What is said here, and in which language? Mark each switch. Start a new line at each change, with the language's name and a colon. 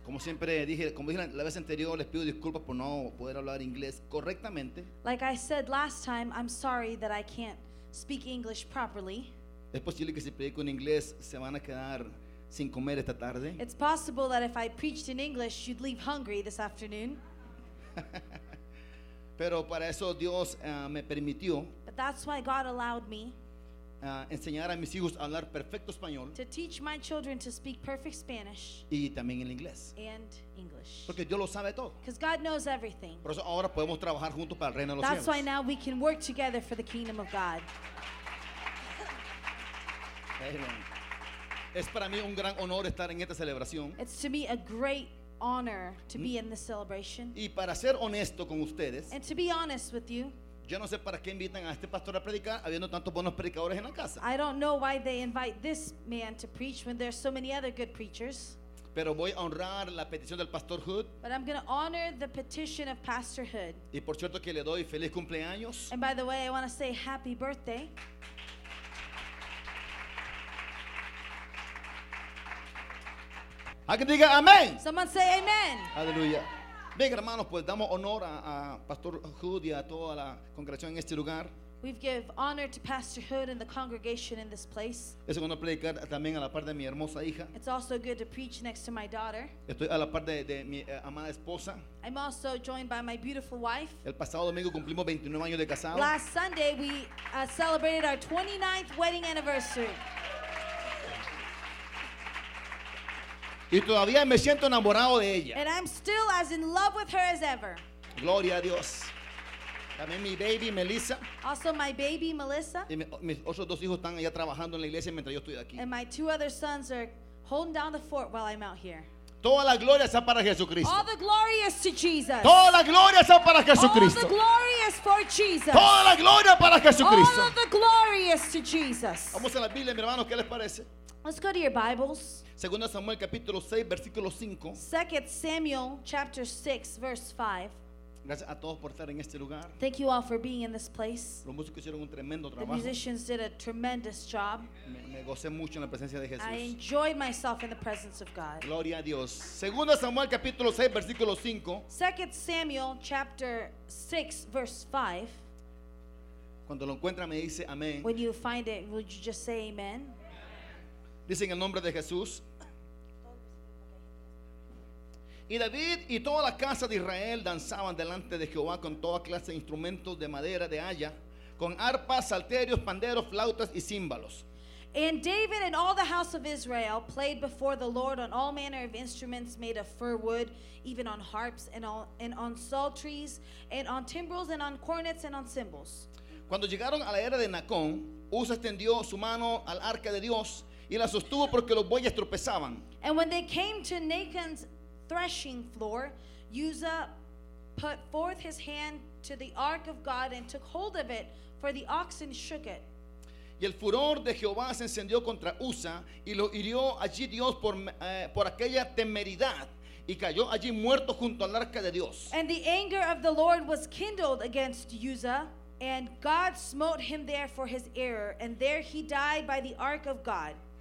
Spanish: Como siempre dije, como dije la vez anterior, les pido disculpas por no poder hablar inglés correctamente.
English: Like I said last time, I'm sorry that I can't speak English properly.
Spanish: Es posible que si predico en inglés se van a quedar sin comer esta tarde.
English: It's possible that if I preached in English, you'd leave hungry this afternoon.
Spanish: Pero para eso Dios me permitió.
English: But that's why God allowed me.
Spanish: Enseñar a mis hijos a hablar perfecto español.
English: To teach my children to speak perfect Spanish.
Spanish: Y también el inglés.
English: And English.
Spanish: Porque Dios lo sabe todo.
English: Because God knows everything.
Spanish: Por eso ahora podemos trabajar juntos para el reino de los cielos.
English: That's why now we can work together for the kingdom of God. Amen.
Spanish: Es para mí un gran honor estar en esta celebración.
English: It's to me a great honor to be in this celebration.
Spanish: Y para ser honesto con ustedes.
English: And to be honest with you.
Spanish: Yo no sé para qué invitan a este pastor a predicar habiendo tantos buenos predicadores en la casa.
English: I don't know why they invite this man to preach when there are so many other good preachers.
Spanish: Pero voy a honrar la petición del pastor Hood.
English: But I'm going to honor the petition of Pastor Hood.
Spanish: Y por cierto que le doy feliz cumpleaños.
English: And by the way, I want to say happy birthday.
Spanish: ¿Alguien diga amén?
English: Someone say amen.
Spanish: Aleluya. Bien, hermanos, pues damos honor a Pastor Hood y a toda la congregación en este lugar.
English: We give honor to Pastor Hood and the congregation in this place.
Spanish: Es bueno predicar también a la par de mi hermosa hija.
English: It's also good to preach next to my daughter.
Spanish: Estoy a la par de mi amada esposa.
English: I'm also joined by my beautiful wife.
Spanish: El pasado domingo cumplimos 29 años de casado.
English: Last Sunday we celebrated our 29th wedding anniversary.
Spanish: Y todavía me siento enamorado de ella.
English: And I'm still as in love with her as ever.
Spanish: Gloria a Dios. También mi baby Melissa.
English: Also my baby Melissa.
Spanish: Y mis otros dos hijos están allá trabajando en la iglesia mientras yo estoy aquí.
English: And my two other sons are holding down the fort while I'm out here.
Spanish: Toda la gloria sea para Jesucristo.
English: All the glory is to Jesus.
Spanish: Toda la gloria sea para Jesucristo.
English: All the glory is for Jesus.
Spanish: Toda la gloria para Jesucristo.
English: All the glory is to Jesus.
Spanish: Vamos a la Biblia, mi hermano, ¿qué les parece?
English: Let's go to your Bibles.
Spanish: 2 Samuel capítulo 6 versículo 5.
English: 2 Samuel chapter 6 verse 5.
Spanish: Gracias a todos por estar en este lugar.
English: Thank you all for being in this place.
Spanish: Los músicos hicieron un tremendo trabajo.
English: The musicians did a tremendous job.
Spanish: Me gocé mucho en la presencia de Jesús.
English: I enjoyed myself in the presence of God.
Spanish: Gloria a Dios. 2 Samuel capítulo 6 versículo 5.
English: 2 Samuel chapter 6 verse 5.
Spanish: Cuando lo encuentra me dice amén.
English: When you find it, would you just say amen?
Spanish: Dice en el nombre de Jesús. Y David y toda la casa de Israel danzaban delante de Jehová con toda clase de instrumentos de madera de haya, con arpas, salterios, panderos, flautas y címbalos.
English: And David and all the house of Israel played before the Lord on all manner of instruments made of fir wood, even on harps and on psalteries and on timbrels and on cornets and on cymbals.
Spanish: Cuando llegaron a la era de Nacón, Uza extendió su mano al arca de Dios y la sostuvo porque los bueyes tropezaban.
English: And when they came to Nacon's threshing floor, Uzzah put forth his hand to the ark of God and took hold of it, for the oxen shook it.
Spanish: Y el furor de Jehová se encendió contra Uzzah y lo hirió allí Dios por aquella temeridad y cayó allí muerto junto al arca de Dios.
English: And the anger of the Lord was kindled against Uzzah, and God smote him there for his error, and there he died by the ark of God.